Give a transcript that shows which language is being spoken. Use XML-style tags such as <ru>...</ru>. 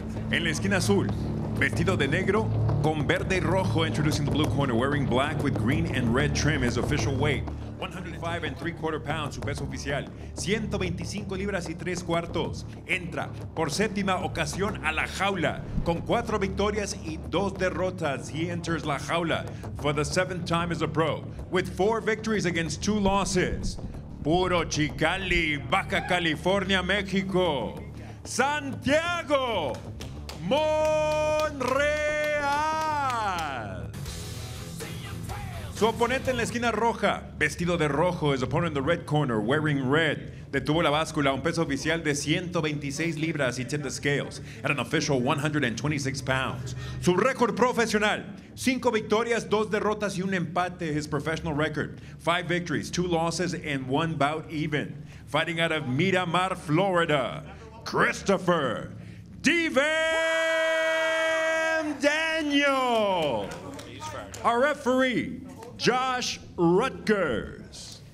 <es>En la esquina azul, vestido de negro, con verde y rojo,</es> <en>introducing the blue corner, wearing black with green and red trim, his official weight, 105¾ pounds,</en> <es>su peso oficial, 125 libras y 3 cuartos. Entra por séptima ocasión a la jaula, con 4 victorias y 2 derrotas.</es> <en>He enters la jaula for the 7th time as a pro, with 4 victories against 2 losses.</en> <es>Puro Chicali, Baja California, México. Santiago Monreal. Su oponente en la esquina roja, vestido de rojo,</es> <en>his opponent in the red corner, wearing red.</en> <es>Detuvo la báscula, un peso oficial de 126 libras,</es> <en>he tipped the scales at an official 126 pounds.</en> <es>Su récord profesional, 5 victorias, 2 derrotas y un empate.</es> <en>His professional record, 5 victories, 2 losses and 1 bout even. Fighting out of Miramar, Florida, Christopher Steven Daniel. Our referee, Josh Rutgers.</en>